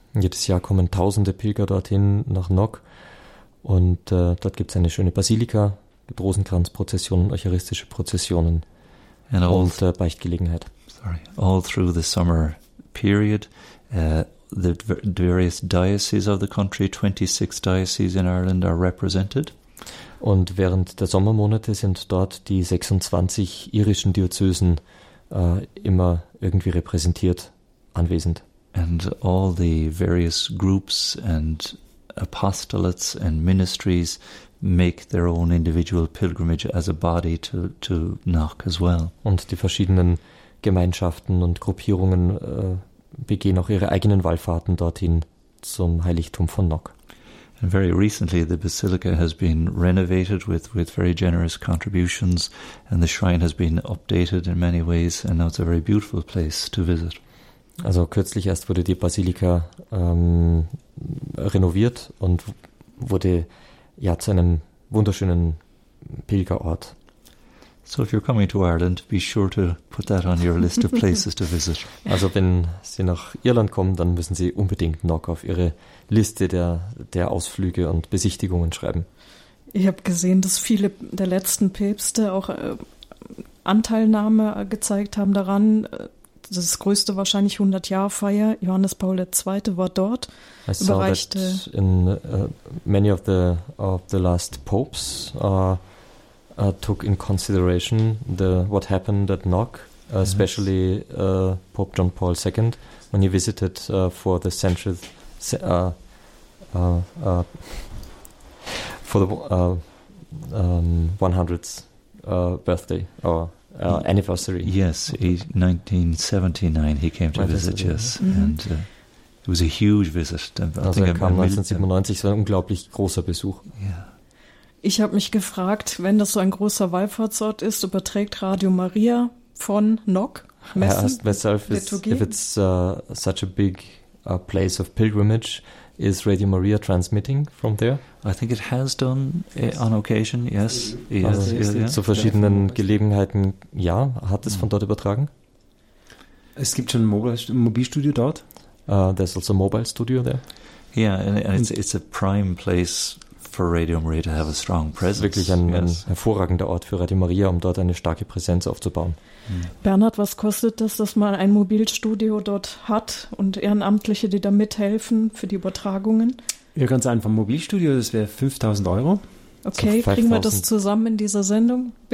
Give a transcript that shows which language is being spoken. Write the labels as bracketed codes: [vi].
[de] Jedes Jahr kommen tausende Pilger dorthin nach Knock und dort gibt's eine schöne Basilika, gibt Rosenkranzprozessionen, eucharistische Prozessionen and und Beichtgelegenheit. [en] Sorry, all through the summer period. The various dioceses of the country, 26 dioceses in Ireland are represented. [de] Und während der Sommermonate sind dort die 26 irischen Diözesen immer irgendwie repräsentiert, anwesend. [en] And all the various groups and apostolates and ministries make their own individual pilgrimage as a body to Knock as well. [de] Und die verschiedenen Gemeinschaften und Gruppierungen begehen auch ihre eigenen Wallfahrten dorthin zum Heiligtum von Knock. [en] And very recently the basilica has been renovated with very generous contributions and the shrine has been updated in many ways and now it's a very beautiful place to visit. [de] Also kürzlich erst wurde die Basilika renoviert und wurde ja zu einem wunderschönen Pilgerort. [en] So if you're coming to Ireland, be sure to put that on your list of places to visit. [de] Also wenn Sie nach Irland kommen, dann müssen Sie unbedingt Knock auf Ihre Liste der Ausflüge und Besichtigungen schreiben. Ich habe gesehen, dass viele der letzten Päpste auch Anteilnahme gezeigt haben daran. Das ist größte wahrscheinlich 100-Jahr-Feier. Johannes Paul II. War dort. [en] I saw that in many of the last popes took in consideration what happened at Knock, especially Pope John Paul II, when he visited for the century, for the 100th birthday or anniversary. Yes, 1979 he came to visit us, and it was a huge visit. [de] Also er kam 1997, es war ein unglaublich großer Besuch. [en] Yeah. [de] Ich habe mich gefragt, wenn das so ein großer Wallfahrtsort ist, überträgt Radio Maria von Knock Messen? [en] I asked myself, if it's such a big place of pilgrimage, is Radio Maria transmitting from there? I think it has done on occasion, yes. [de] Zu verschiedenen Gelegenheiten, ja, hat es von dort übertragen? Es gibt schon ein Mobilstudio dort. [en] There's also a mobile studio there. Yeah, and it's a prime place for Radio Maria to have a strong presence. [de] Wirklich ein hervorragender Ort für Radio Maria, um dort eine starke Präsenz aufzubauen. Bernhard, was kostet das, dass man ein Mobilstudio dort hat und Ehrenamtliche, die da mithelfen für die Übertragungen? Ja, ganz einfach, Mobilstudio, das wäre 5.000 Euro. Okay, so kriegen wir das zusammen in dieser Sendung?